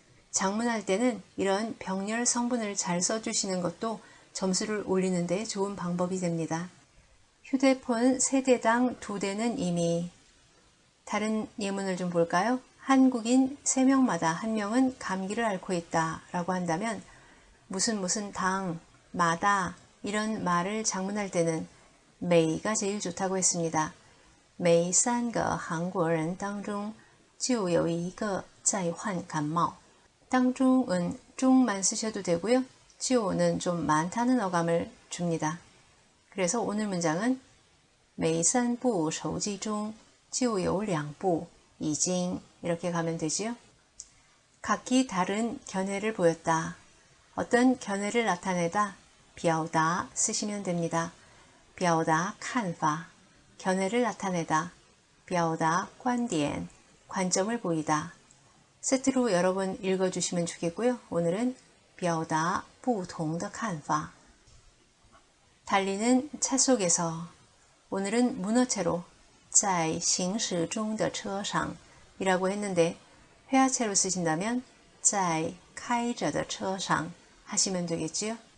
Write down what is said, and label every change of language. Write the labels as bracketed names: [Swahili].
[Korean] 작문할때는이런병렬성분을잘써주시는것도점수를올리는데좋은방법이됩니다휴대폰세대당두대는이미다른예문을좀볼까요한국인세명마다한명은감기를앓고있다라고한다면무슨무슨당 마다 이런 말을 장문할 때는 메이가 제일 좋다고 했습니다. [Chinese] 每三个韩国人当中就有一个在患感冒。 [Korean] 当中은 中만 쓰셔도 되고요. 就는 좀 많다는 어감을 줍니다. 그래서 오늘 문장은 [Chinese] 每三部手机中就有两部已经 [Korean] 이렇게 가면 되지요. 각기 다른 견해를 보였다. 어떤 견해를 나타내다. 表达 쓰시면 됩니다. [Chinese] 表达看法 [Korean] 견해를 나타내다. [Chinese] 表达观点 [Korean] 관점을 보이다. 세트로 여러분 읽어주시면 좋겠고요. 오늘은 [Chinese] 表达不同的看法 [Korean] 달리는 차 속에서 오늘은 문어체로 [Chinese] 在行驶中的车上 [Korean] 이라고 했는데 회화체로 쓰신다면 [Chinese] 在开着的车上 [Korean] 하시면 되겠지요.